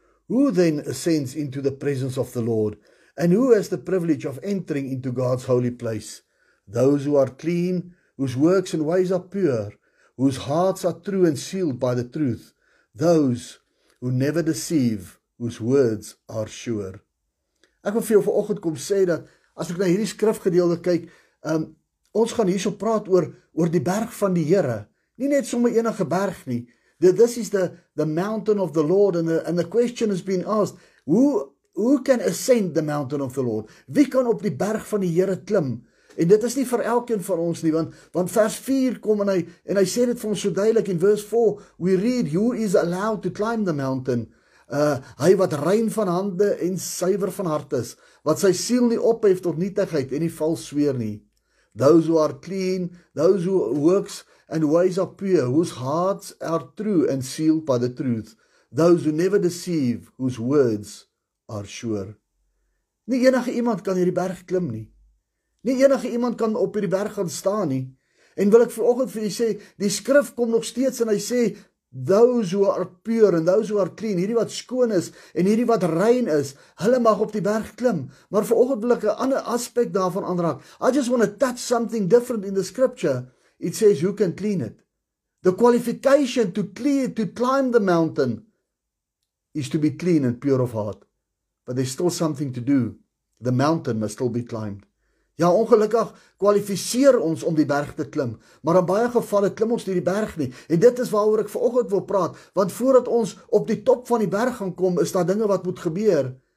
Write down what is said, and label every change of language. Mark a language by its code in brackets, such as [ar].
[en] Who then ascends into the presence of the Lord? And who has the privilege of entering into God's holy place? Those who are clean, whose works and ways are pure, whose hearts are true and sealed by the truth, those who never deceive, whose words are sure. [af] Ek wil vir jou vanoggend kom sê dat as ek na hierdie skrifgedeelte kyk, ons gaan hierso praat oor die berg van die Here, nie net sommer enige berg nie. [en] This is the mountain of the Lord and the question has been asked, Who can ascend the mountain of the Lord? [af] Wie kan op die berg van die Here klim? En dit is nie vir elkeen van ons nie, want vers 4 kom en hy sê dit vir ons so duidelik in verse 4. [en] We read, who is allowed to climb the mountain? [af] Hy wat rein van hande en suiwer van hart is, wat sy siel nie ophef tot nietigheid en nie vals sweer nie. [en] Those who are clean, those who works and ways are pure, whose hearts are true and sealed by the truth, those who never deceive, whose words are sure. [af] Nie enige iemand kan hierdie berg klim nie. Nie enige iemand kan op hierdie berg gaan staan nie. En wil ek vanoggend vir julle sê, die skrif kom nog steeds en hy sê, [en] those who are pure and those who are clean, [af] hierdie wat skoon is en hierdie wat rein is, hulle mag op die berg klim. Maar vanoggend wil ek 'n ander aspek daarvan aanraak. [en] I just want to touch something different in the scripture. It says, who can clean it? The qualification to climb the mountain is to be clean and pure of heart. But there's still something to do. The mountain must still be climbed. [af] Ja, ongelukkig kwalifiseer ons om die berg te klim. Maar in baie gevalle klim ons nie die berg nie. En dit is waaroor ek vanoggend wil praat. Want voordat ons op die top van die berg gaan kom, is daar dinge wat moet gebeur.